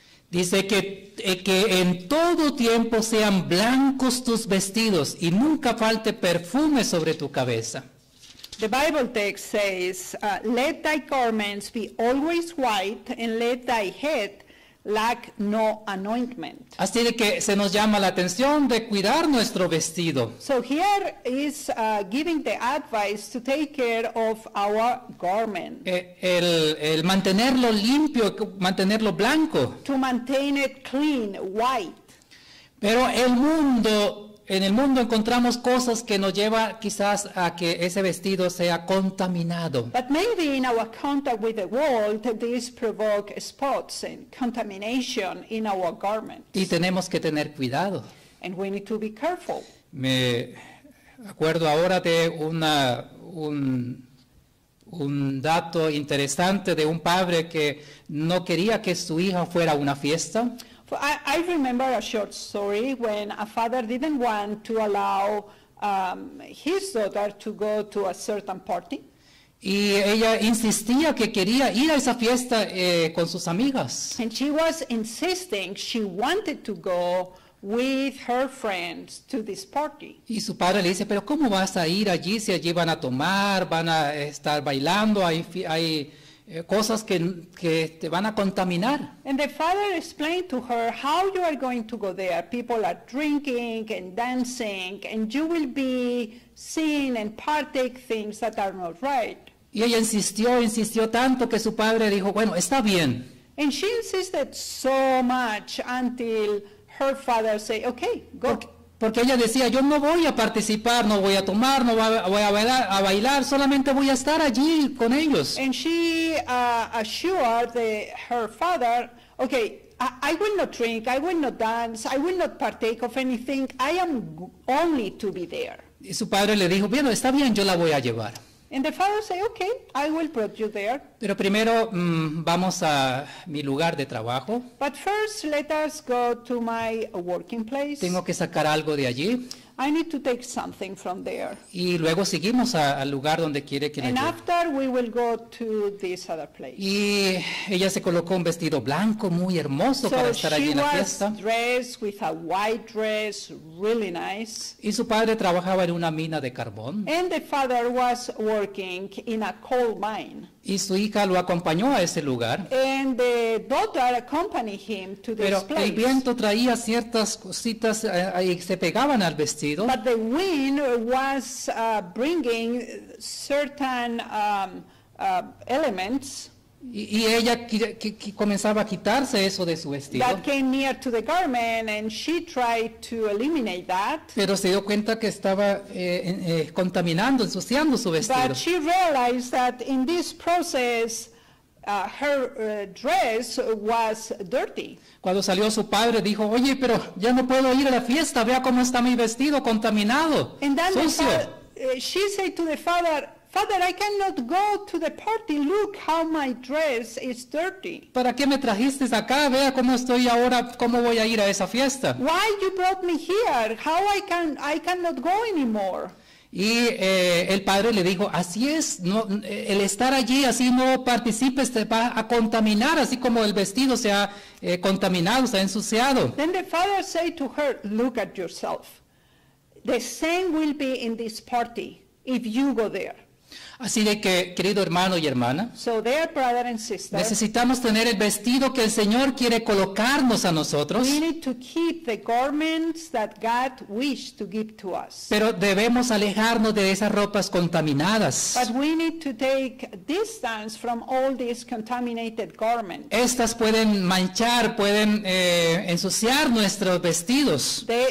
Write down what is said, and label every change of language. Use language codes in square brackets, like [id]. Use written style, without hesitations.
[es] Dice que en todo tiempo sean blancos tus vestidos y nunca falte perfume sobre tu cabeza. [en] The Bible text says, let thy garments be always white and let thy head lack no anointment. [es] Así de que se nos llama la atención de cuidar nuestro vestido. [en] So here is giving the advice to take care of our garment. [es] El mantenerlo limpio, mantenerlo blanco. [en] To maintain it clean, white. [es] Pero en el mundo encontramos cosas que nos lleva quizás a que ese vestido sea contaminado. [en] But maybe in our contact with the world, this provokes spots and contamination in our garments. [es] Y tenemos que tener cuidado. [en] And we need to be careful. [es] Me acuerdo ahora de un dato interesante de un padre que no quería que su hija fuera a una fiesta. [en] I remember a short story when a father didn't want to allow his daughter to go to a certain party. [es] Y ella insistía que quería ir a esa fiesta con sus amigas. [en] And she was insisting she wanted to go with her friends to this party. [es] Y su padre le dice, pero ¿cómo vas a ir allí si allí van a tomar, van a estar bailando, hay cosas que te van a contaminar. [en] And the father explained to her how you are going to go there. People are drinking and dancing, and you will be seeing and partake things that are not right. [es] Y ella insistió tanto que su padre dijo, bueno, está bien. [en] And she insisted so much until her father said, okay, go. [es] Porque ella decía, yo no voy a participar, no voy a tomar, no voy a bailar, solamente voy a estar allí con ellos. [en] And she assured her father, okay, I will not drink, I will not dance, I will not partake of anything, I am only to be there. [es] Y su padre le dijo, bueno, está bien, yo la voy a llevar. [en] And the father said, okay, I will put you there. [es] Pero primero, vamos a mi lugar de trabajo. [en] But first, let us go to my working place. [es] Tengo que sacar algo de allí. [en] I need to take something from there. [es] Y luego seguimos al lugar donde quiere que la lleve. [en] And after, we will go to this other place. [es] Y ella se colocó un vestido blanco muy hermoso para estar allí en la fiesta. [en] So she was dressed with a white dress, really nice. [es] Y su padre trabajaba en una mina de carbón. [en] And the father was working in a coal mine. [es] Y su hija lo acompañó a ese lugar. [en] And the daughter accompanied him to this [es] Pero [en] place. [es] El viento traía ciertas cositas y se pegaban al vestido. [en] But the wind was bringing certain elements. [es] Y ella comenzaba a quitarse eso de su vestido. [en] That came near to the garment and she tried to eliminate that. [es] Pero se dio cuenta que estaba contaminando, ensuciando su vestido. [en] But she realized that in this process her dress was dirty. [es] Cuando salió su padre dijo, oye, pero ya no puedo ir a la fiesta, vea cómo está mi vestido contaminado, [en] and then [es] sucio. [en] She said to the father, Father, I cannot go to the party. Look how my dress is dirty. [es] ¿Para qué me trajiste acá? Vea cómo estoy ahora, cómo voy a ir a esa fiesta. [en] Why you brought me here? How I cannot go anymore. [es] Y el padre le dijo, así es, no, el estar allí, así no participes, te va a contaminar, así como el vestido se ha contaminado, se ha ensuciado. [en] Then the father said to her, look at yourself. The same will be in this party if you go there. [es] Así de que, querido hermano y hermana, [en] so there, brother and sister, [es] necesitamos tener el vestido que el Señor quiere colocarnos a nosotros. [en] We need to keep the garments that God wished to give to us. [es] Pero debemos alejarnos de esas ropas contaminadas. [en] But we need to take distance from all these contaminated garments. [es] Estas pueden manchar, pueden ensuciar nuestros vestidos.